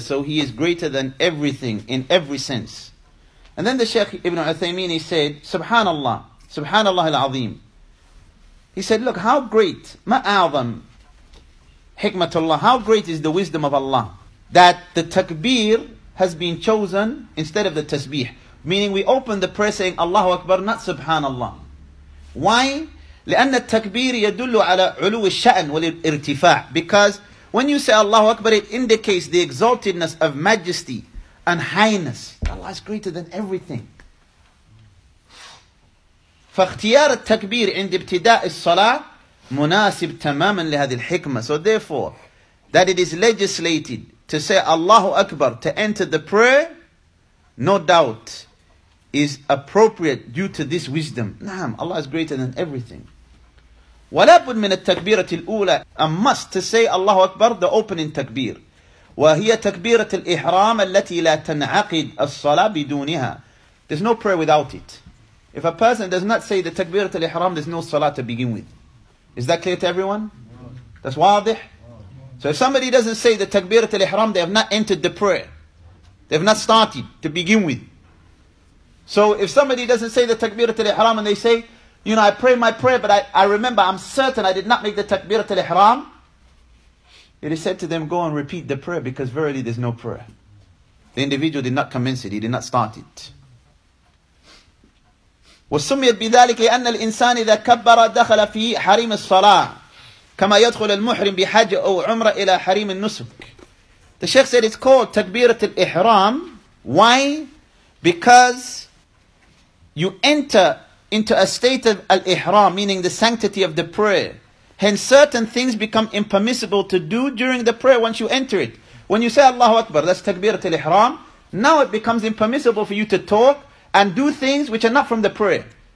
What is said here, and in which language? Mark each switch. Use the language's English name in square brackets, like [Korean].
[English] So He is greater than everything in every sense. And then the Shaykh Ibn Uthaymeen, he said, Subhanallah, Subhanallah al-Azim. He said, look, how great, ma'adham, hikmatullah, how great is the wisdom of Allah that the takbir has been chosen instead of the tasbih. Meaning we open the prayer saying, Allahu Akbar, not Subhanallah. Why? [Arabic] لأن التكبير يدل على علو الشأن والارتفاع. [English] Because when you say Allahu Akbar, it indicates the exaltedness of majesty and highness. Allah is greater than everything. [Arabic] فاختيار التكبير عند ابتداء الصلاة مناسب تماما لهذه الحكمة. [English] So therefore, that it is legislated to say Allahu Akbar to enter the prayer, no doubt is appropriate due to this wisdom. Naam, Allah is greater than everything. [Arabic] ولابد من التكبيرة الأولى [English] a must to say [Arabic] الله أكبر [English] the opening [Arabic] تكبير وهي تكبيرة الإحرام التي لا تنعقد الصلاة بدونها. [English] There's no prayer without it. If a person does not say the تكبيرة الإحرام, there's no salah to begin with. Is that clear to everyone? That's واضح. So if somebody doesn't say the تكبيرة الإحرام, they have not entered the prayer. They have not started to begin with. So if somebody doesn't say the تكبيرة الإحرام and they say, you know, I pray my prayer, but I remember, I'm certain I did not make the تكبيرة الإحرام. It is said to them, go and repeat the prayer, because verily there's no prayer. The individual did not commence it, he did not start it. [Arabic] وَسُمِّيَتْ بِذَلِكَ لِأَنَّ الْإِنسَانِ إِذَا كَبَّرَ دَخَلَ فِي حَرِيمِ الصَّلَاةِ كَمَا يَدْخُلَ الْمُحْرِمِ بِحَجِ أَوْ عُمْرَ إِلَى حَرِيمِ النُّسُكِ. [English] The Sheikh said it's called [Arabic] تَكْبِيرَةِ الْإِحْرَامِ. [English] Why? Because you enter into a state of al-ihram, meaning the sanctity of the prayer. Hence certain things become impermissible to do during the prayer once you enter it. When you say Allahu Akbar, that's takbirat al-ihram. Now it becomes impermissible for you to talk and do things which are not from the prayer.